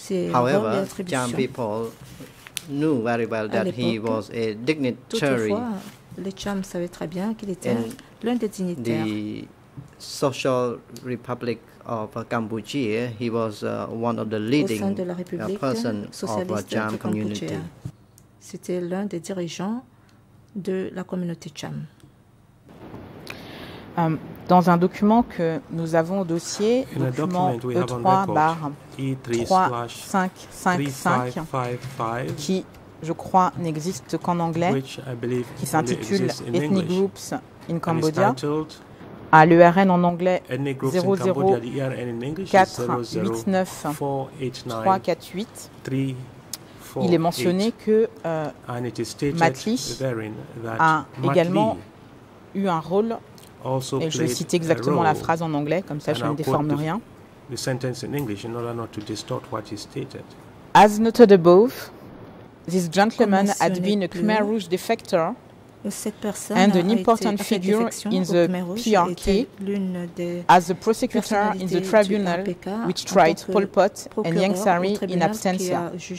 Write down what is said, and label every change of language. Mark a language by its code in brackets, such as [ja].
[en] However, Cham people knew very well that he was a dignitary. [fr] Les Cham savaient très bien qu'il était l'un des dignitaires. [en] The Social Republic of Cambodia, he was one of the leading persons of the Cham community. [fr] C'était l'un des dirigeants de la communauté Cham. Dans un document que nous avons au dossier, document E3/3555, qui, je crois, n'existe qu'en anglais, qui s'intitule [en] Ethnic Groups in Cambodia, [fr] à l'URN en anglais 00489348. Il est mentionné que Matli a également eu un rôle. Et je vais citer exactement la phrase en anglais, comme ça je ne déforme rien. [en] The sentence in English in order not to distort what is stated. As noted above, this gentleman had been a Khmer Rouge defector and an important figure in the PRK as a prosecutor in the tribunal which tried Pol Pot and Yang Sari in absentia.